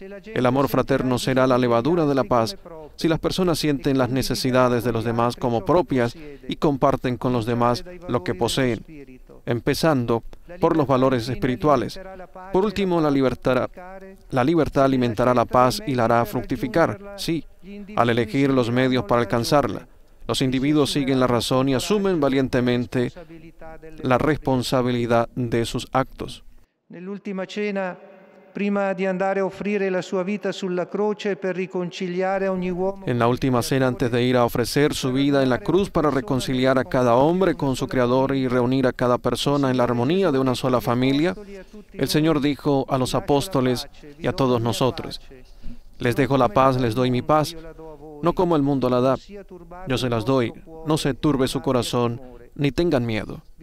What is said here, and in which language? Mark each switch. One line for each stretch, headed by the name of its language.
Spanish: El amor fraterno será la levadura de la paz si las personas sienten las necesidades de los demás como propias y comparten con los demás lo que poseen, empezando por los valores espirituales. Por último, la libertad alimentará la paz y la hará fructificar, sí, al elegir los medios para alcanzarla. Los individuos siguen la razón y asumen valientemente la responsabilidad de sus actos. En la última cena,
Italian: prima di andare a offrire la sua vita sulla croce per riconciliare ogni uomo.
Spanish: En la última cena, antes de ir a ofrecer su vida en la cruz para reconciliar a cada hombre con su Creador y reunir a cada persona en la armonía de una sola familia, el Señor dijo a los apóstoles y a todos nosotros: les dejo la paz, les doy mi paz, no como el mundo la da, yo se las doy, no se turbe su corazón, ni tengan miedo.